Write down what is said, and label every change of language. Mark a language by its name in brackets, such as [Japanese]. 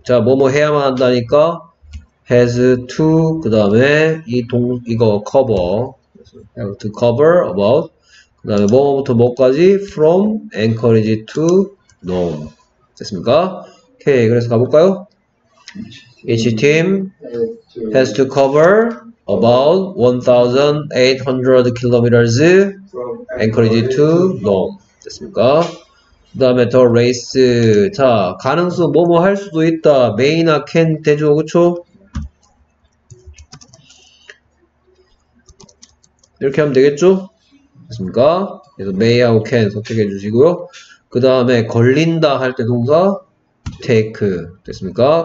[Korean] 자, 뭐뭐 해야만 한다니까. [English] has to, 그 다음에, 이거 cover, have to cover about, [Korean] 그 다음에 뭐부터 뭐까지, [English] from Anchorage to Nome. 됐습니까? [Korean] 오케이, 그래서 가볼까요? [English] each team has to cover about 1,800 km Anchorage to Nome. [Korean] 됐습니까? 그 다음에 the race. 자, 가능성, 뭐뭐 할 수도 있다. may나 can 되죠, 그쵸? 이렇게 하면 되겠죠? 맞습니까? 그래서 may 하고 can 선택해 주시고요. 그 다음에 걸린다 할때 동사 take 됐습니까?